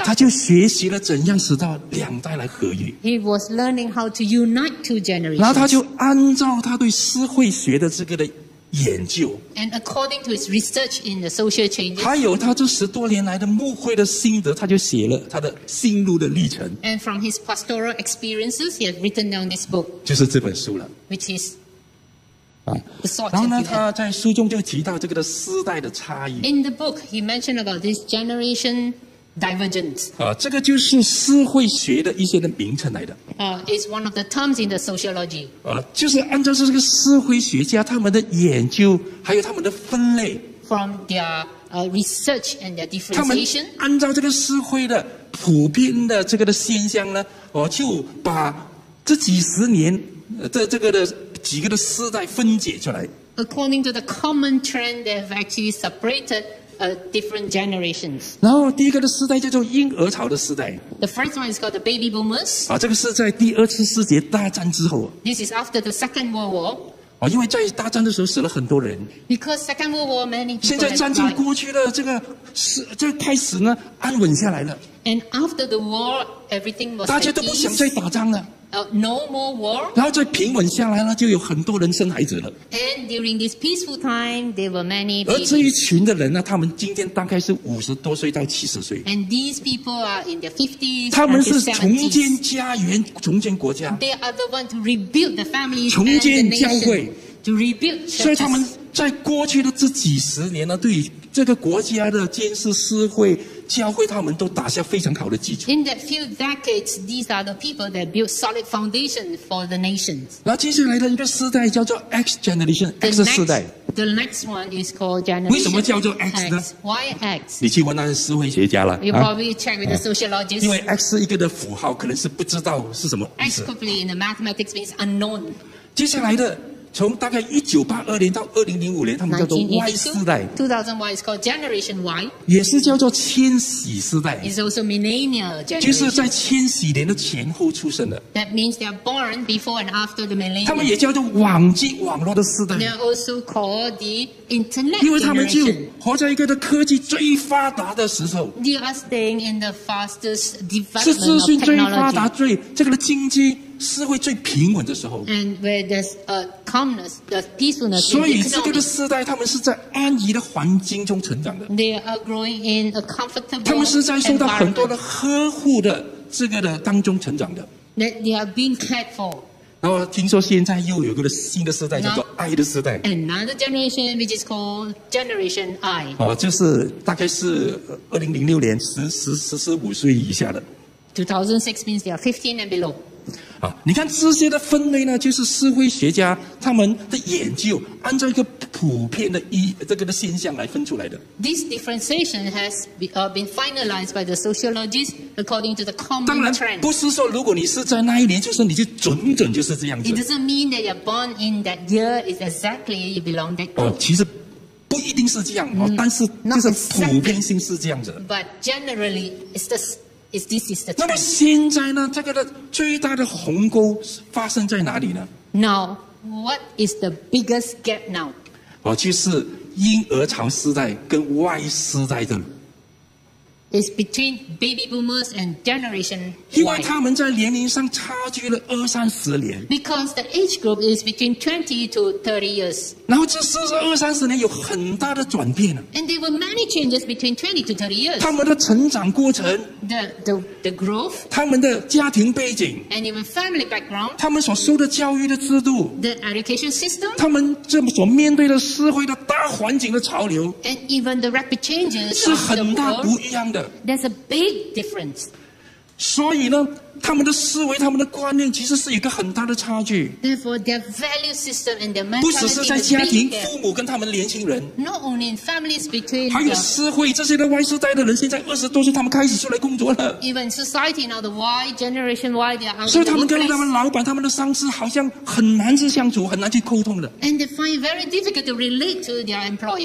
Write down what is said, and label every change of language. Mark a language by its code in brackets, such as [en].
[zh] 他就学习了怎样使到两代来合一。 [en] He was learning how to unite two generations. [zh] 然后他就按照他对思慧学的这个的研究。 [en] And according to his research in the social changes. [zh] 还有他这十多年来的牧会的心得，他就写了他的心路的历程。 [en] And from his pastoral experiences, he had written down this book. [zh] 就是这本书了。 [en] Which is. [zh] 然后呢，他在书中就提到这个的世代的差异。 [en] In the book, he mentioned about this generation divergence. [zh] 这个就是社会学的一些的名称来的。 [en] It's one of the terms in the sociology. [zh] 就是按照这个社会学家他们的研究，还有他们的分类。 [en] From their research and their differentiation. [zh] 他们按照这个社会的普遍的这个的现象呢，就把这几十年的这个的。几个的世代分解出来。 [en] According to the common trend, they have actually separated different generations. [zh] 然后第一个的世代叫做婴儿潮的世代。 [en] The first one is called the baby boomers. [zh] 这个是在第二次世界大战之后。 [en] This is after the Second World War. [zh] 因为在大战的时候死了很多人。 [en] Because Second World War, many people. [zh] 现在战争过去了，这开始呢安稳下来了。 [en] And after the war, everything was. [zh] 大家都不想再打仗了。 [en] No more war. [zh] 然后再平稳下来了，就有很多人生孩子了。 [en] And during this peaceful time, there were many. [zh] 而这一群的人呢，他们今天大概是50多岁到70岁。 [en] And these people are in their 50s. [zh] 他们是重建家园，重建国家。 [en] They are the ones to rebuild the families. [zh] 重建教会。 [en] To rebuild. [zh] 所以他们在过去的这几十年呢，对这个国家的建设社会。教会他们都打下非常好的基础。 [en] In that few decades, these are the people that built solid foundation for the nations. [zh] 那接下来的一个世代叫做 [en] X generation, [zh] X 世代。 [en] The next one is called generation. [zh] 为什么叫做 X 呢 [en] ？Why X？ [zh] 你去问那些社会学家了。 [en] You probably check with the sociologists. [zh] 因为 X 是一个的符号，可能是不知道是什么意思。 [en] X probably in the mathematics means unknown. [zh] 接下来的。从大概1982年到2005年，他们叫做 Y 世代。 [en] 2001 is called Generation Y。 [zh] 也是叫做千禧世代。 [en] It's also Millennial Generation。 [zh] 就是在千禧年的前后出生的。 [en] That means they are born before and after the millennium。 [zh] 他们也叫做网际网络的世代。 [en] They are also called the Internet Generation。 [zh] 因为他们就活在一个的科技最发达的时候。 [en] They are staying in the fastest development of [zh] 是资讯最发达、最这个的经济。社会最平稳的时候 [en] ，and where there's a calmness, there's peacefulness. [zh] 所以这个的世代，他们是在安逸的环境中成长的。 [en] They are growing in a comfortable. [zh] 他们是在受到很多的呵护的这个的当中成长的。 [en] That they are being cared for. [zh] 然后听说现在又有个新的世代叫做爱的世代。 [en] Another generation, which is called Generation I. [zh] 就是大概是2006年十四五岁以下的。 [en] 2006 means they are 15 and below. [zh] 你看这些的分类呢，就是社会学家他们的研究按照一个普遍的这个的现象来分出来的。 [en] This differentiation has been finalized by the sociologists according to the common trend. [zh] 当然不是说如果你是在那一年出生，就是你就准准就是这样子。 [en] It doesn't mean that you're born in that year is exactly you belong that. [zh] 其实不一定是这样，但是就是普遍性是这样子。 [en] But generally, it's the is this is the time. [zh] 那么现在呢？这个的最大的鸿沟发生在哪里呢 [en] ？Now, what is the biggest gap now？ [zh] 哦，就是婴儿潮世代跟 Y 世代的。 [en] It's between baby boomers and generation Y. [zh] 因为他们在年龄上差距了二三十年。 [en] Because the age group is between 20 to 30 years. [zh] 然后这四十二三十年有很大的转变。 [en] And there were many changes between 20 to 30 years. [zh] 他们的成长过程。 [en] The growth. [zh] 他们的家庭背景。 [en] And even family background. [zh] 他们所受的教育的制度。 [en] The education system. [zh] 他们这么所面对的社会的大环境的潮流。 [en] And even the rapid changes. [zh] 是很大不一样的。 [en] There's a big difference. [zh] 所以呢，他们的思维、他们的观念其实是一个很大的差距。 [en] Therefore, their value system and their mentality is big. [zh] 不只是在家庭、父母跟他们年轻人。 [en] Not only in families between. [zh] 还有社会这些的 Y 世代的人，现在二十多岁，他们开始出来工作了。 [en] Even society now, the Y generation, why they are. [zh] 所以他们跟他们老板、他们的上司好像很难去相处，很难去沟通的。 [en] And they find it very difficult to relate to their employer.